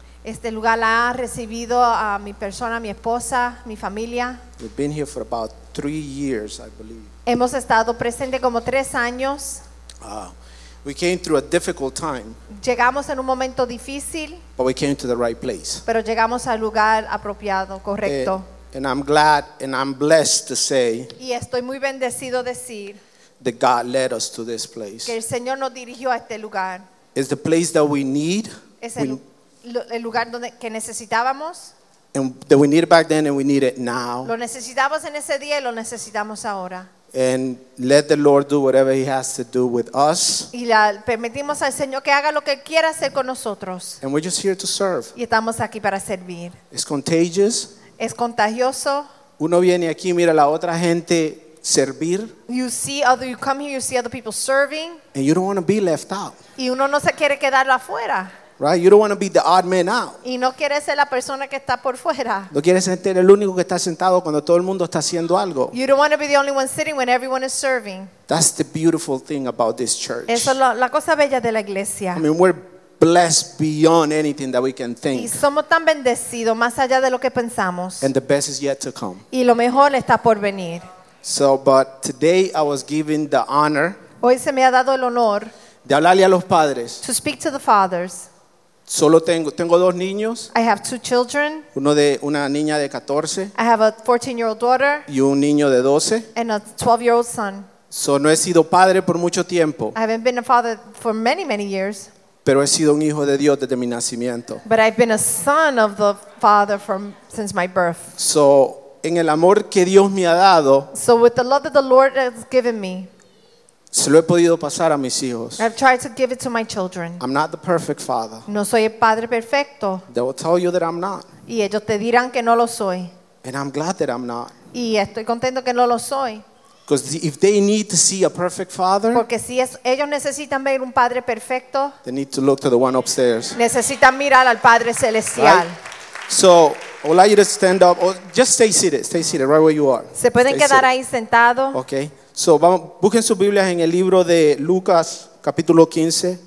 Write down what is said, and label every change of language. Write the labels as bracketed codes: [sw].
[es] Este lugar la ha recibido a mi persona, mi esposa, mi familia. [en] We've been here for about 3 years, I believe. [es] Hemos estado presente como 3 años. [en] We came through a difficult time. [es] Llegamos en un momento difícil. [en] But we came to the right place. [es] Pero llegamos al lugar apropiado, correcto. [en] And I'm glad and I'm blessed to say. [es] Y estoy muy bendecido decir. [en] That God led us to this place. [es] Que el Señor nos dirigió a este lugar. [en] It's the place that we need. [es] Es el lugar donde que necesitábamos. [en] And that we need it back then and we need it now. [es] Lo necesitábamos en ese día y lo necesitamos ahora. [en] And let the Lord do whatever He has to do with us. [es] Y permitimos al Señor que haga lo que quiera hacer con nosotros. [en] And we're just here to serve. [es] Y estamos aquí para servir. [en] It's contagious. [es] Es contagioso. Uno viene aquí, mira la otra gente servir. [en] You come here, you see other people serving. And you don't want to be left out. [es] Y uno no se quiere quedar afuera. [en] Right, you don't want to be the odd man out. [es] Y no quieres ser la persona que está por fuera. No quieres ser el único que está sentado cuando todo el mundo está haciendo algo. [en] You don't want to be the only one sitting when everyone is serving. That's the beautiful thing about this church. [es] Eso es la cosa bella de la iglesia. [en] I mean, we're blessed beyond anything that we can think. [es] Y somos tan bendecidos más allá de lo que pensamos. [en] And the best is yet to come. [es] Y lo mejor está por venir. [en] So, but today I was given the honor. [es] Hoy se me ha dado el honor. De hablarle a los padres. [en] To speak to the fathers. [es] Solo tengo dos niños. [en] I have 2 children. [es] Una niña de 14. [en] I have a 14-year-old daughter. [es] Y un niño de 12. [en] And a 12-year-old son. [es] So no he sido padre por mucho tiempo. [en] I haven't been a father for many, many years. [es] Pero he sido un hijo de Dios desde mi nacimiento. [en] But I've been a son of the Father since my birth. [es] So en el amor que Dios me ha dado. [en] So with the love that the Lord has given me. [es] Se lo he podido pasar a mis hijos. [en] I've tried to give it to my children. I'm not the perfect father. [es] No soy el padre perfecto. [en] They will tell you that I'm not. [es] Y ellos te dirán que no lo soy. [en] And I'm glad that I'm not. [es] Y estoy contento que no lo soy. [en] Because if they need to see a perfect father, [es] porque si ellos necesitan ver un padre perfecto, [en] they need to look to the one upstairs. [es] Necesitan mirar al Padre Celestial. [en] Right? So, I would like you to stand up. Or just stay seated. Stay seated right where you are. [es] Se pueden quedar ahí sentado. [en] Okay. [es] So, vamos, busquen sus Biblias en el libro de Lucas, capítulo 15.